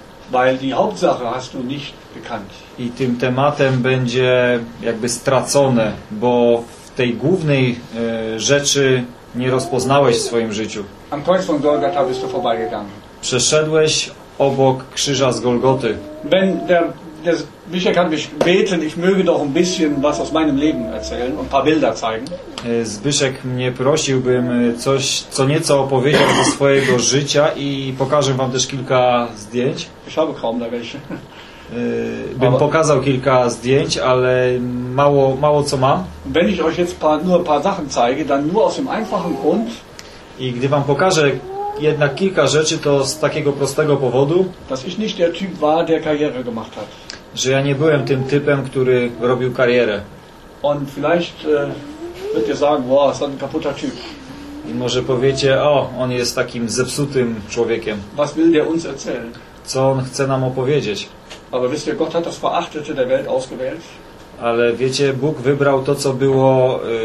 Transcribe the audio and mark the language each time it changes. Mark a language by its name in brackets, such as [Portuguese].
[German] Weil die Hauptsache hast du nicht bekannt. [Polish] I tym tematem będzie jakby stracone, bo w tej głównej rzeczy nie rozpoznałeś w swoim życiu. [German] Am Kreuz von Golgatha bist du vorbeigegangen. [Polish] Przeszedłeś obok krzyża z Golgoty. [German] Wenn der Michael kann mich beten, ich möge doch ein bisschen was aus meinem Leben erzählen und ein paar Bilder zeigen. [Polish] Zbyszek mnie prosiłbym coś, co nieco opowiedzieć ze swojego życia i pokażę wam też kilka zdjęć. [German] Ich habe kaum da welche. [Polish] Bym pokazał kilka zdjęć, ale mało co mam. [German] Wenn ich euch jetzt nur ein paar Sachen zeige, dann nur aus dem einfachen Grund. [Polish] I gdy wam pokażę jednak kilka rzeczy, to z takiego prostego powodu, [German] dass ich nicht der Typ war, der Karriere gemacht hat. [Polish] Że ja nie byłem tym typem, który robił karierę. [German] Und vielleicht wird ihr sagen, wow, ist ein kaputter Typ. [Polish] I może powiecie, o, on jest takim zepsutym człowiekiem. [German] Was will der uns erzählen? [Polish] Co on chce nam opowiedzieć? [German] Aber wisst ihr, Gott hat das Verachtete der Welt ausgewählt. [Polish] Ale wiecie, Bóg wybrał to, co było